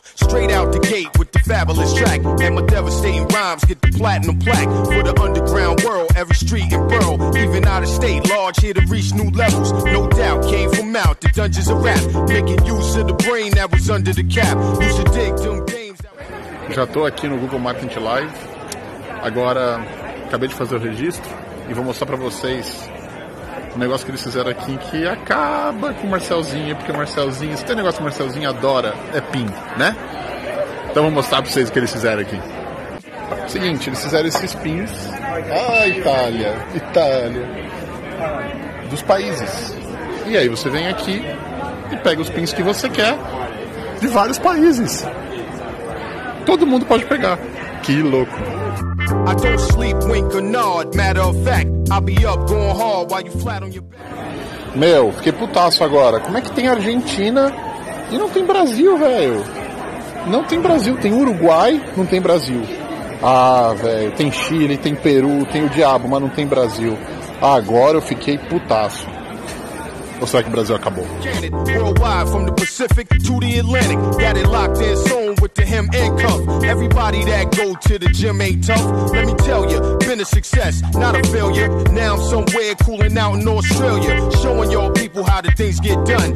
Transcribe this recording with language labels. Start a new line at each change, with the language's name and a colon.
English: Straight out the gate with the fabulous track. And my devastating rhymes get the platinum plaque. For the underground world, every street and borough. Even out of state, large here to reach new levels. No doubt came from out the dungeons of rap. Making use of the brain that was under the cap. You should dig them games.
Portuguese: Já tô aqui no Google Marketing Live. Agora, acabei de fazer o registro e vou mostrar pra vocês o negócio que eles fizeram aqui, que acaba com o Marcelzinho, porque o Marcelzinho, se tem negócio que o Marcelzinho adora, é PIN, né? Então vou mostrar pra vocês o que eles fizeram aqui. Seguinte, eles fizeram esses PINs. Ah, Itália, Itália. Dos países. E aí você vem aqui e pega os PINs que você quer de vários países. Todo mundo pode pegar. Que louco.
English: I don't sleep, wink or nod. Matter of fact, I'll be up going hard while you flat on your back.
Portuguese: Meu, fiquei putaço agora. Como é que tem Argentina e não tem Brasil, velho? Não tem Brasil, tem Uruguai, não tem Brasil. Ah, velho, tem Chile, tem Peru, tem o diabo, mas não tem Brasil. Agora eu fiquei putaço. Ou será que o Brasil acabou?
English: Worldwide, from the Pacific to the Atlantic. Got it locked in zone with the hem and cuff. Everybody that go to the gym ain't tough. Let me tell you, been a success, not a failure. Now I'm somewhere cooling out in Australia. Showing your people how the things get done.